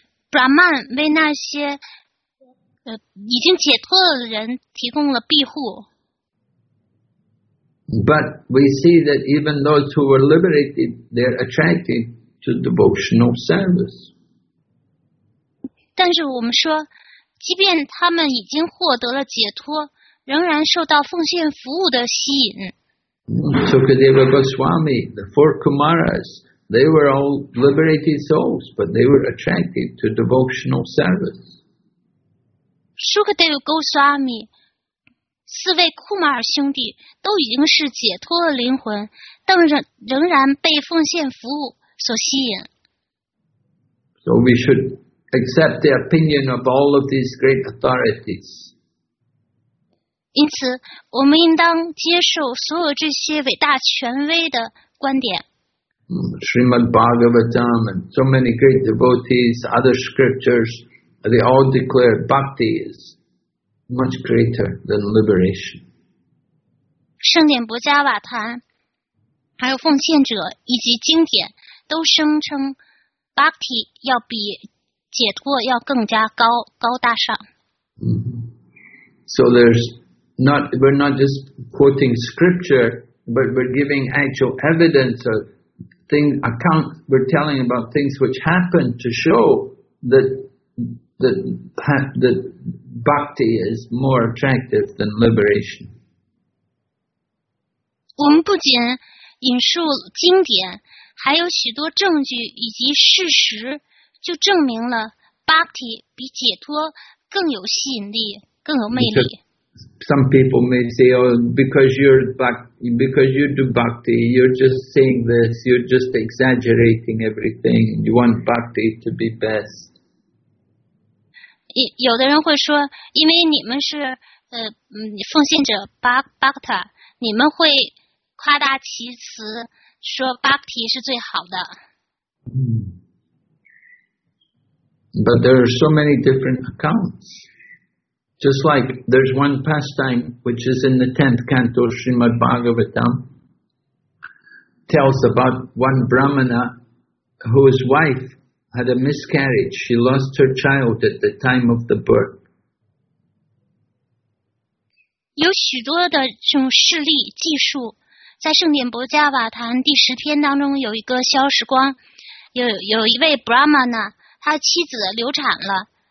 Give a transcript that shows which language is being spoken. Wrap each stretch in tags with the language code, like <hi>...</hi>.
<zh>Brahman 为那些已经解脱了的人提供了庇护。</zh> <en>But we see that even those who were liberated, they're attracted to devotional service.</en> <zh>但是我们说，即便他们已经获得了解脱，仍然受到奉献服务的吸引。</zh> <en>Sukadeva Goswami, the four Kumaras, they were all liberated souls, but they were attracted to devotional service.</en> <zh>Sukadeva Goswami, 四位库玛尔兄弟都已经是解脱了灵魂，但仍然被奉献服务所吸引。</zh> <en>So we should accept the opinion of all of these great authorities.</en> <zh>因此，我们应当接受所有这些伟大权威的观点。</zh> <en>Srimad Bhagavatam and so many great devotees, other scriptures, they all declare bhakti is much greater than liberation.</en> <zh>圣典博迦瓦坛，还有奉献者以及经典，都声称 bhakti 要比解脱要更加高大上。</zh> <en>So there's. Not, we're not just quoting scripture, but we're giving actual evidence of things, account, we're telling about things which happened to show that bhakti is more attractive than liberation.</en> <zh>我们不仅引述经典，还有许多证据以及事实，就证明了 bhakti 比解脱更有吸引力，更有魅力。</zh> <en>Some people may say, oh, because you do bhakti, you're just saying this, you're just exaggerating everything, you want bhakti to be best.</en> <zh>有的人会说，因为你们是奉献者 bhakta, 你们会夸大其词，说 bhakti 是最好的。</zh> <en>But there are so many different accounts. Just like there's one pastime which is in the 10th canto of Srimad Bhagavatam, tells about one Brahmana whose wife had a miscarriage. She lost her child at the time of the birth.</en> <zh>有许多的这种事例记述，在圣典博迦瓦坛第十篇当中有一个消时光，有一位 Brahmana, 他妻子流产了。</zh>